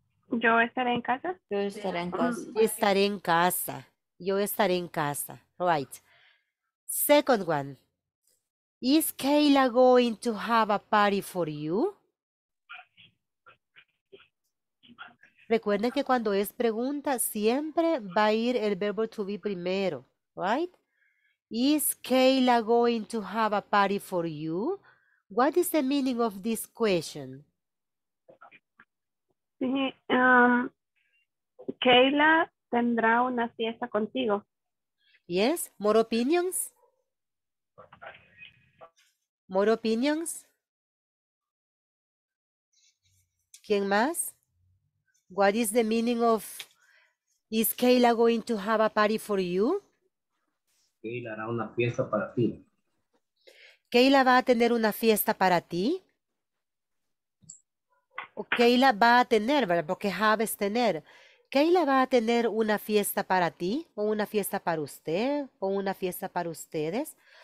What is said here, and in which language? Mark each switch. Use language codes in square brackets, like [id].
[es] ¿Yo estaré en casa? Yo estaré en casa. Estaré en casa. Yo estaré en casa. [en] Right. Second one. Is Kayla going to have a party for you? [es] Recuerden que cuando es pregunta, siempre va a ir el verbo to be primero, [en] right? Is Kayla going to have a party for you? What is the meaning of this question? [es] Sí, Kayla tendrá una fiesta contigo. [en] Yes, more opinions? More opinions? [es] ¿Quién más? [en] What is the meaning of, is Kayla going to have a party for you? [es] Kayla hará una fiesta para ti. ¿Kayla va a tener una fiesta para ti? ¿O Kayla va a tener, ¿verdad? Porque have es tener. ¿Kayla va a tener una fiesta para ti? ¿O una fiesta para usted? ¿O una fiesta para ustedes?